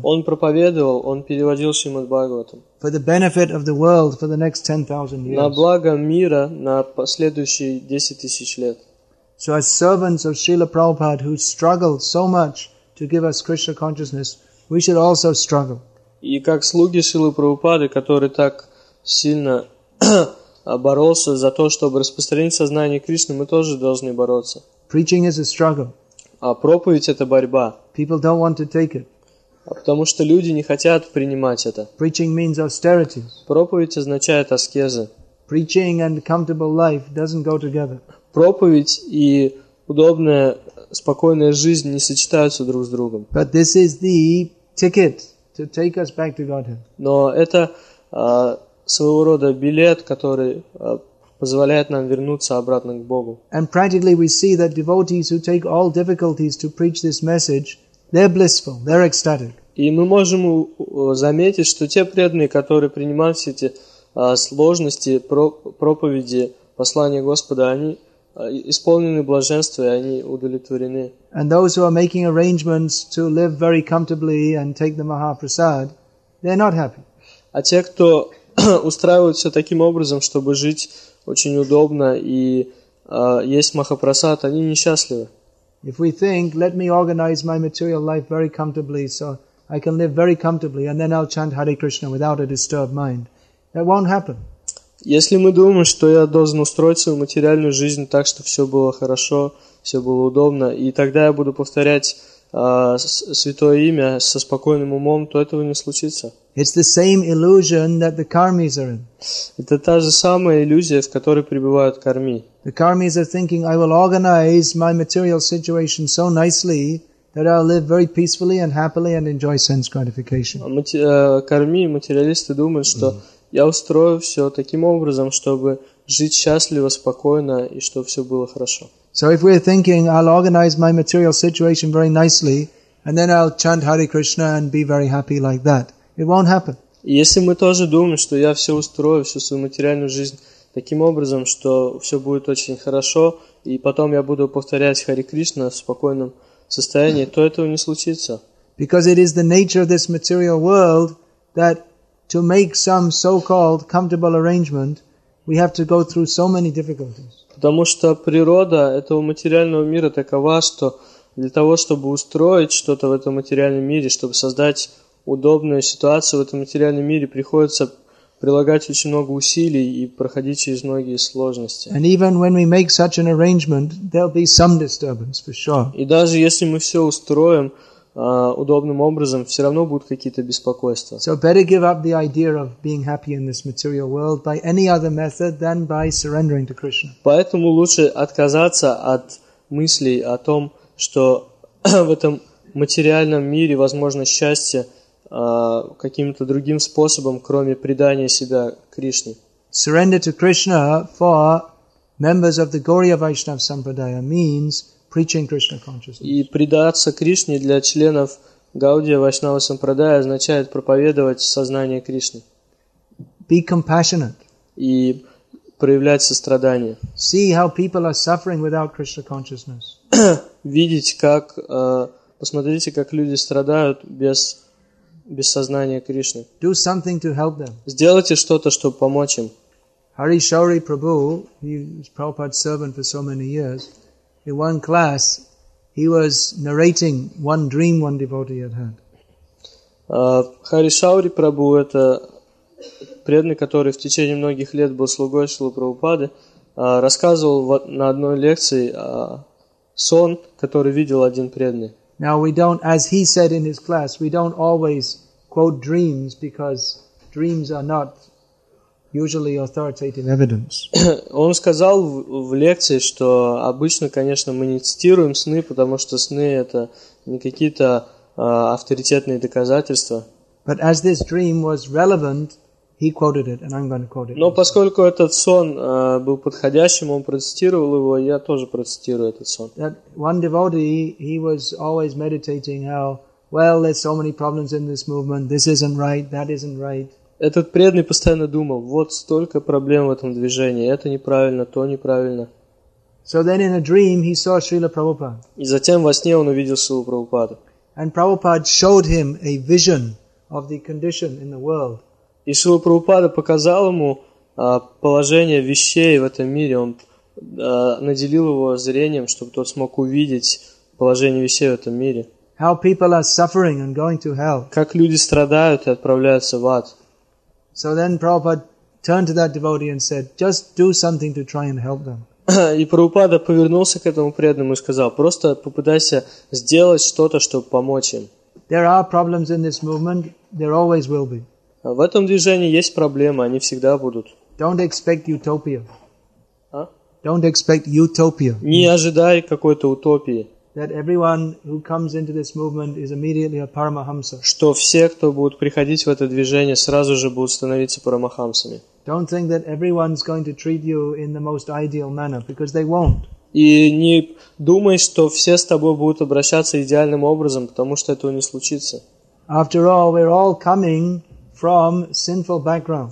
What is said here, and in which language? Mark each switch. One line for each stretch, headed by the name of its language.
Russian: Он проповедовал, он переводил Шримад Бхагаватам.
English: For the benefit of the world for the next 10,000 years.
Russian: На благо мира на последующие 10,000 лет.
English: So as servants of Srila Prabhupada who struggled so much to give us Krishna consciousness, we should also struggle.
Russian: И как слуги Шрилы Прабхупады, который так сильно боролся за то, чтобы распространить сознание Кришны, мы тоже должны бороться.
English: Preaching is a struggle.
Russian: А проповедь – это борьба.
English: People don't want to take it.
Russian: Потому что люди не хотят принимать это.
English: Preaching means austerity.
Russian: Проповедь означает аскезы.
English: Preaching and comfortable life doesn't go together.
Russian: Проповедь и удобная, спокойная жизнь не сочетаются друг с другом.
English: But this is the ticket to take us back to Godhead.
Russian: Но это своего рода билет, который позволяет нам вернуться обратно к Богу.
English: And practically we see that devotees who take all difficulties to preach this message, they're blissful, they're ecstatic.
Russian: И мы можем заметить, что те преданные, которые принимают все эти сложности проповеди послания Господа, они исполнены блаженства и они удовлетворены.
English: And those who are making arrangements to live very comfortably and take the Mahaprasad, they're not happy.
Russian: А те, кто устраивают все таким образом, чтобы жить очень удобно, и есть Махапрасад, они несчастливы.
English: If we think, let me organize my material life very comfortably, so I can live very comfortably, and then I'll chant Hare Krishna without a disturbed mind, that won't happen.
Russian: Если мы думаем, что я должен устроить свою материальную жизнь так, чтобы все было хорошо, все было удобно, и тогда я буду повторять святое имя со спокойным умом, то этого не случится.
English: It's the same illusion that the karmis are in.
Russian: Это та же самая иллюзия, в которой пребывают карми.
English: The karmis are thinking, I will organize my material situation so nicely that I'll live very peacefully and happily and enjoy sense gratification.
Russian: Карми, материалисты думают, что я устрою все таким образом, чтобы жить счастливо, спокойно и чтобы все было хорошо.
English: So if we're thinking, I'll organize my material situation very nicely and then I'll chant Hare Krishna and be very happy like that, it won't happen.
Russian: Если мы тоже думаем, что я все устрою, всю свою материальную жизнь таким образом, что все будет очень хорошо, и потом я буду повторять Хари Кришна в спокойном состоянии, то этого не случится.
English: Because it is the nature of this material world that to make some so-called comfortable arrangement, we have to go through so many difficulties.
Russian: Потому что природа этого материального мира такова, что для того, чтобы устроить что-то в этом материальном мире, чтобы создать удобную ситуацию в этом материальном мире, приходится прилагать очень много усилий и проходить через многие сложности.
English: And even when we make such an arrangement, there'll be some disturbance for sure.
Russian: И даже если мы все устроим удобным образом, все равно будут какие-то беспокойства.
English: So better give up the idea of being happy in this material world by any other method than by surrendering to Krishna.
Russian: Поэтому лучше отказаться от мыслей о том, что в этом материальном мире возможно счастье каким-то другим способом, кроме предания себя Кришне.
English: Surrender to Krishna for members of the Gaurīya Vaiṣṇava Sampradaya means preaching Krishna consciousness.
Russian: И предаться Кришне для членов Гаудия Вайшнава Сампрадая означает проповедовать сознание Кришны.
English: Be compassionate.
Russian: И проявлять сострадание.
English: See how people are suffering without Krishna consciousness.
Russian: Видеть, как посмотрите, как люди страдают без сознания Кришны.
English: Do something to help them.
Russian: Сделайте что-то, чтобы помочь им.
English: Hari Shauri Prabhu, he was Prabhupada's servant for so many years. In one class, he was narrating one dream one devotee had had.
Russian: Hari Shauri Prabhu, это преданный, который в течение многих лет был слугой Шрилы Прабхупады, рассказывал на одной лекции сон, который видел один преданный.
English: Now we don't, as he said in his class, we don't always quote dreams because dreams are not usually authoritative evidence.
Russian: Он сказал в лекции, что обычно, конечно, мы не цитируем сны, потому что сны это не какие-то авторитетные доказательства.
English: But as this dream was relevant, he quoted it, and I'm going to quote it.
Russian: Но поскольку этот сон был подходящим, он процитировал его, я тоже процитирую этот сон.
English: That one devotee, he was always meditating how, well, there's so many problems in this movement, this isn't right, that isn't right.
Russian: Этот преданный постоянно думал, вот столько проблем в этом движении, это неправильно, то неправильно.
English: So then in a dream, he saw Srila Prabhupada.
Russian: И затем во сне он увидел Шрилу Прабхупаду.
English: And Prabhupada showed him a vision of the condition in the world.
Russian: И Шрила Прабхупада показал ему положение вещей в этом мире. Он наделил его зрением, чтобы тот смог увидеть положение вещей в этом мире.
English: How people are suffering and going to hell.
Russian: Как люди страдают и отправляются в ад.
English: So then Prabhupada turned to that devotee and said, just do something to try and help them.
Russian: И Прабхупада повернулся к этому преданному и сказал, просто попытайся сделать что-то, чтобы помочь им.
English: There are problems in this movement, there always will be.
Russian: В этом движении есть проблемы, они всегда будут.
English: Don't expect utopia. А? Don't expect utopia.
Russian: Не ожидай какой-то утопии.
English: That everyone who comes into this movement is immediately a paramahamsa.
Russian: Что все, кто будут приходить в это движение, сразу же будут становиться парамахамсами.
English: Don't think that everyone's going to treat you in the most ideal manner, because they won't.
Russian: И не думай, что все с тобой будут обращаться идеальным образом, потому что этого не случится.
English: After all, we're all coming from sinful background.